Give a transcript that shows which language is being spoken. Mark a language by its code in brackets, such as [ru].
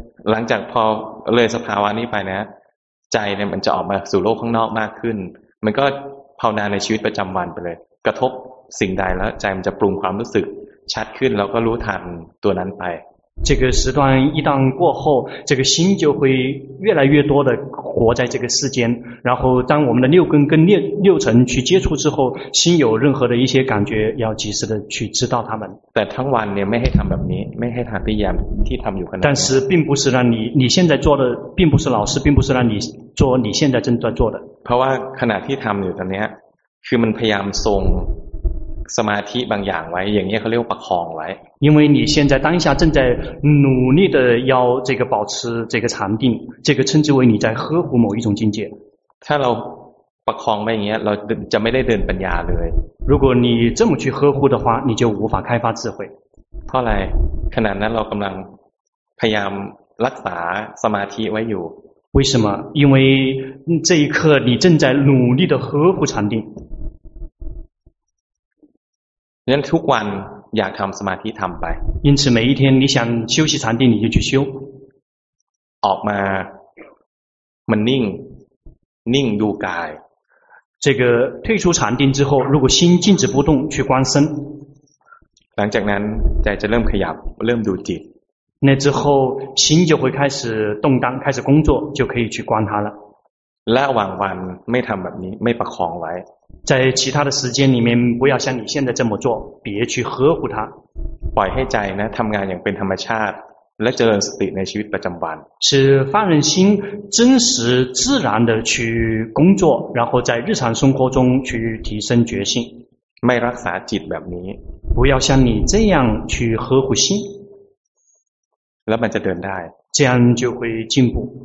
[th] หลังจากพอเลยสภาวะนี้ไปนะใจเนี่ยมันจะออกมาสู่โลกข้างนอกมากขึ้นมันก็ภาวนาในชีวิตประจำวันไปเลยกระทบสิ่งใดแล้วใจมันจะปรุงความรู้สึกชัดขึ้นแล้วก็รู้ทันตัวนั้นไป [zh] 这个时段一旦过后，这个心就会越来越多的活在这个世间，然后当我们的六根跟六尘去接触之后，心有任何的一些感觉，要及时的去知道他们。但 [th] ทั้งวันเนี่ยไม่ให้ทำแบบนี้ไม่ให้ทำได้อย่างที่ทำอยู่ขนา [zh] ด但是并不是让你现在做的并不是老师并不是让你做你现在正在做的 [th] เพราะว่าขณะที่ทำอยู่ตอนนี้คือมันพยายามส่งสมาธิบางอย่างไว้อย่างนี้เขาเรียกประคองไว้ [zh] 因为你现在当下正在努力的要这个保持这个禅定这个称之为你在呵护某一种境界 [th] ถ้าเราประคองไว้อย่างนี้เราจะไม่ได้เดินปัญญาเลย [zh] 如果你这么去呵护的话你就无法开发智慧 [th] เพราะอะไรขณะนั้นเรากำลังพยายามรักษาสมาธิไว้อยู่ [zh] 为什么因为这一刻你正在努力的呵护禅定 [th] งั้นทุกวันอยากทำสมาธิทำไป [zh] 因此每一天你想休息禅定你就去修 [th] ออกมามันนิ่งนิ่งดูกาย [zh] 这个退出禅定之后如果心静止不动去观身 [th] หลังจากนั้นใจจะเริ่มขยับเริ่มดูจิต [zh] 那之后心就会开始动荡开始工作就可以去观它了 [th] ระหว่างวันไม่ทำแบบนี้ไม่ประคองไว้ [zh] 在其他的时间里面不要像你现在这么做别去呵护它 [th] ปล่อยให้ใจนะทำงานอย่างเป็นธรรมชาติและเจริญสติในชีวิตประจำวัน [zh] 是放任心真实自然的去工作然后在日常生活中去提升觉性 [th] ไม่รักษาจิตแบบนี้ [zh] 不要像你这样去呵护心 [th] แล้วมันจะเดินได้ [zh] 这样就会进步